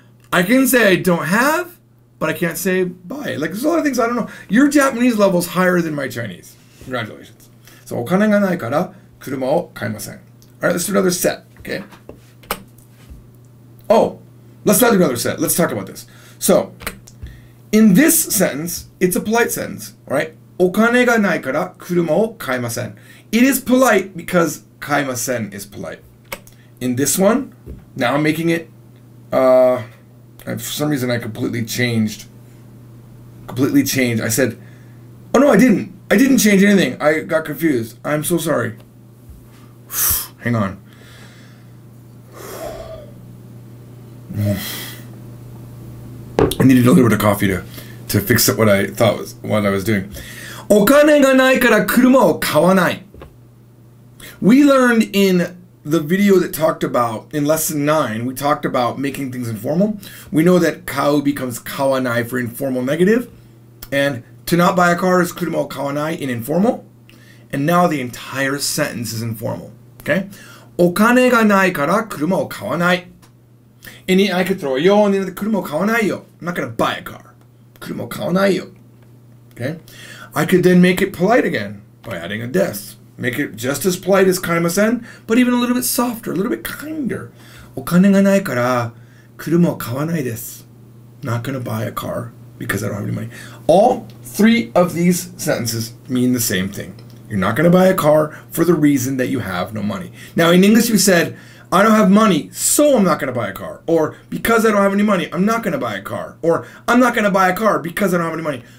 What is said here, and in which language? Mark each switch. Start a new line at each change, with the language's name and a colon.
English: I can say I don't have, but I can't say buy. Like, there's a lot of things I don't know. Your Japanese level is higher than my Chinese. Congratulations.
Japanese: So, お金がないから車を買いません。
English: All right, let's do another set, okay? Oh, let's not do another set. Let's talk about this. So, in this sentence, it's a polite sentence, right?
Japanese: お金がないから車を買いません。
English: It is polite because
Japanese: 買いません
English: is polite. In this one, now I'm making it, for some reason I completely changed. I said, oh no, I didn't change anything. I got confused. I'm so sorry. Hang on. I needed a little bit of coffee to fix up what I thought was what I was doing.
Japanese: お金がないから車を買わない。
English: We learned in the video that talked about, in lesson 9, we talked about making things informal. We know that
Japanese: 買う
English: becomes
Japanese: 買わない
English: for informal negative. And to not buy a car is
Japanese: 車を買わない
English: in informal. And now the entire sentence is informal. Okay?
Japanese: お金がないから車を買わない。
English: And I could throw a yo on the end of the
Japanese: 車を買わないよ.
English: I'm not going to buy a car.
Japanese: 車を買わないよ.
English: Okay? I could then make it polite again by adding a des. Make it just as polite as
Japanese: 買いません,
English: but even a little bit softer, a little bit kinder.
Japanese: お金がないから車を買わないです.
English: Not going to buy a car because I don't have any money. All three of these sentences mean the same thing. You're not going to buy a car for the reason that you have no money. Now, in English, you said, I don't have money, so I'm not going to buy a car. Or, because I don't have any money, I'm not going to buy a car. Or, I'm not going to buy a car because I don't have any money.